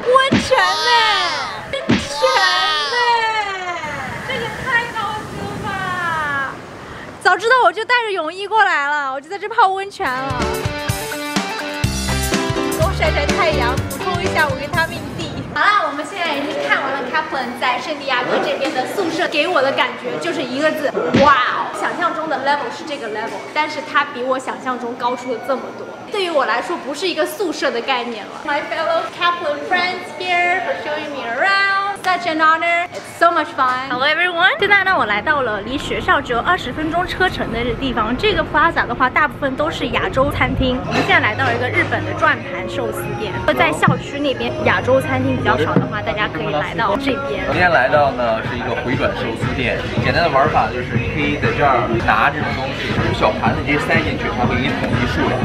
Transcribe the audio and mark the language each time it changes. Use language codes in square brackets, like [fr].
[zh] 温泉呢，温泉呢，这也太高级了吧，早知道我就带着泳衣过来了，我就在这泡温泉了，晒晒太阳，补充一下维他命 D。好了，我们现在已经看完了 Kaplan 在圣地亚哥这边的宿舍，给我的感觉就是一个字，哇，想象中中的 level 是这个 level， 但是它比我想象中高出了这么多。对于我来说，不是一个宿舍的概念了。 [en] My fellow Kaplan friends here for showing me around. Such an honor. It's so much fun. Hello, everyone. [zh] 现在呢，我来到了离学校只有20分钟车程的地方。这个 plaza 的话，大部分都是亚洲餐厅。我们现在来到了一个日本的转盘寿司店。在校区那边，亚洲餐厅比较少的话，大家可以来到这边。今天来到呢，是一个回转寿司店。简单的玩法就是，你可以在这儿拿这种东西，就是小盘子直接塞进去，它会给你统计数量。